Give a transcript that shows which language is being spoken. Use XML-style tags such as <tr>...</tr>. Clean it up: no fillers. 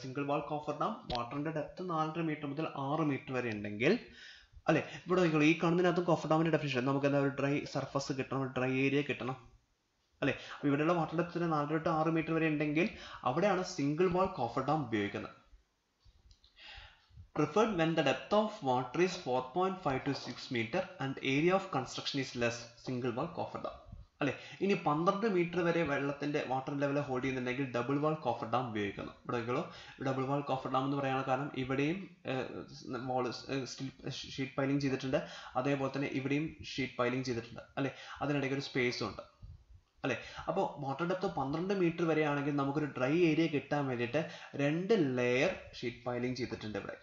<ml>Single വാൾ coffer dam വാട്ടറിന്റെ depth 4.5 meter മുതൽ 6 meter വരെ ഉണ്ടെങ്കിൽ അല്ലെ. ഇവിടെ നോക്കിക്കോ, ഈ കാണുന്നതിനകത്ത് കോഫർ ഡാമിന്റെ ഡെഫിനിഷൻ, നമുക്ക് എന്താ ഒരു ഡ്രൈ സർഫസ് കിട്ടണം, ഒരു ഡ്രൈ ഏരിയ കിട്ടണം അല്ലെ. അപ്പൊ ഇവിടെയുള്ള വാട്ടർ ഡെപ്ത് 4 to 6 meter വരെ ഉണ്ടെങ്കിൽ അവിടെയാണ് സിംഗിൾ വാൾ കോഫർ ഡാം ഉപയോഗിക്കുന്നത്.</ml> <en>Preferred when the depth of water is 4.5 to 6 meter and area of construction is less, single wall coffer dam.</en> <ml>അല്ലേ, ഇനി 12 meter വരെ വെള്ളത്തിന്റെ വാട്ടർ ലെവൽ ഹോൾഡ് ചെയ്യുന്നുണ്ടെങ്കിൽ ഡബിൾ വാൾ coffer dam ഉപയോഗിക്കുന്നു. ഇവിടെ നോക്കിക്കോ, ഡബിൾ വാൾ കോഫർ ഡാം എന്ന് പറയാനുള്ള കാരണം ഇവിടെയും വാൾ ഷീറ്റ് പൈലിംഗ് ചെയ്തിട്ടുണ്ട്, അതേപോലെ തന്നെ ഇവിടെയും ഷീറ്റ് പൈലിംഗ് ചെയ്തിട്ടുണ്ട് അല്ലേ. അതിനിടയ്ക്ക് ഒരു സ്പേസും ഉണ്ട് അല്ലെ. അപ്പോൾ വാട്ടർ ഡെപ്ത് 12 meter വരെ ആണെങ്കിൽ നമുക്കൊരു ഡ്രൈ ഏരിയ കിട്ടാൻ വേണ്ടിയിട്ട് 2 layer ഷീറ്റ് പൈലിംഗ് ചെയ്തിട്ടുണ്ട് ഇവിടെ.</ml>